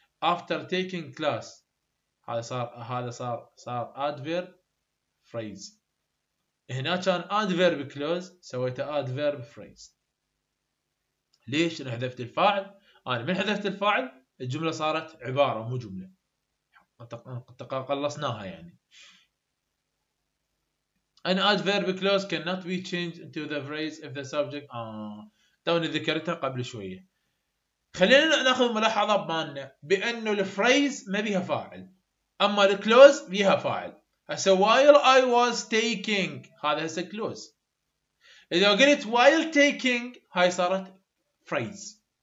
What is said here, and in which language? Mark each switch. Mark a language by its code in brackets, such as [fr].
[en] After taking class [ar] هذا صار [en] adverb phrase، [ar] هنا كان [en] adverb clause [ar] سويتها [en] adverb phrase. [ar] ليش نحذفت الفاعل؟ أنا من حذفت الفاعل الجملة صارت عبارة مو جملة، قلصناها يعني. [en] An adverb clause cannot be changed into the phrase if the subject. [ar] توني ذكرتها قبل شوية. خلينا نأخذ ملاحظة بمانة بأنه الphrase ما بيها فاعل، أما الclause بيها فاعل. هسه [en] while I was taking [ar] هذا هسه [en] clause. [ar] إذا قلت [en] while taking [ar] هاي صارت phrase.